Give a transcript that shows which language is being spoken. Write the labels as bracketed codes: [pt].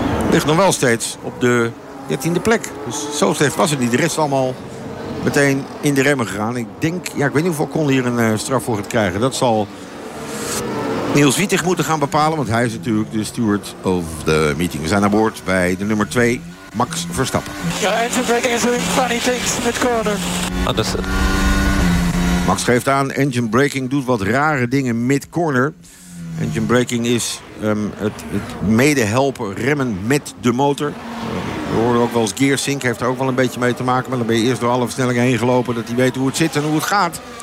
[nl] Ligt nog wel steeds op de 13e plek. Dus zo slecht was het niet. De rest allemaal meteen in de remmen gegaan. Ik denk, ja, ik weet niet of Ocon hier een straf voor gaat krijgen. Dat zal Niels Wittig moeten gaan bepalen. Want hij is natuurlijk de [en] steward of the meeting. [nl] We zijn aan boord bij de nummer 2, Max Verstappen. [en] Ja, engine braking is doing funny things in the corner. Understood. [nl] Max geeft aan, engine braking doet wat rare dingen mid-corner. Engine braking is het medehelpen remmen met de motor. We horen ook wel eens gear sync, heeft er ook wel een beetje mee te maken. Maar dan ben je eerst door alle versnellingen heen gelopen, dat hij weet hoe het zit en hoe het gaat.